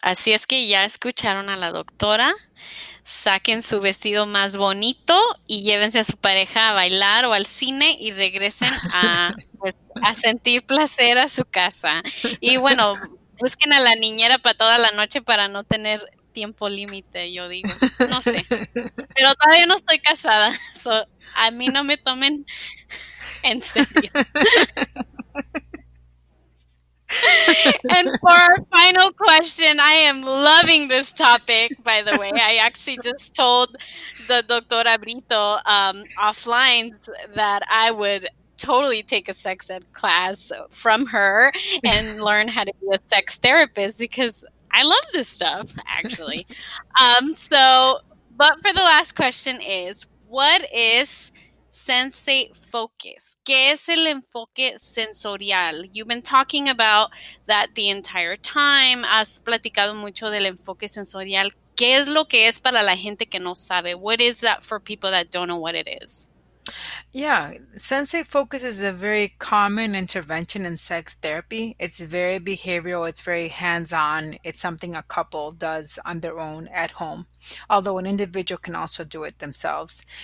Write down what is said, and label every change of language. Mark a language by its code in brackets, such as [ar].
[es] Así es que ya escucharon a la doctora. Saquen su vestido más bonito y llévense a su pareja a bailar o al cine y regresen a, pues, a sentir placer a su casa. Y bueno, busquen a la niñera para toda la noche para no tener tiempo límite, yo digo. No sé. Pero todavía no estoy casada. So, a mí no me tomen en serio. [en] And for our final question, I am loving this topic, by the way. I actually just told the doctora Brito offline that I would totally take a sex ed class from her and learn how to be a sex therapist because I love this stuff, actually. So, but for the last question is, what is sensate focus? [es] ¿Qué es el enfoque sensorial? [en] You've been talking about that the entire time. [es] Has platicado mucho del enfoque sensorial. ¿Qué es lo que es para la gente que no sabe? [en] What is that for people that don't know what it is? Yeah, sensate focus is a very common intervention in sex therapy. It's very behavioral. It's very hands-on. It's something a couple does on their own at home, although an individual can also do it themselves.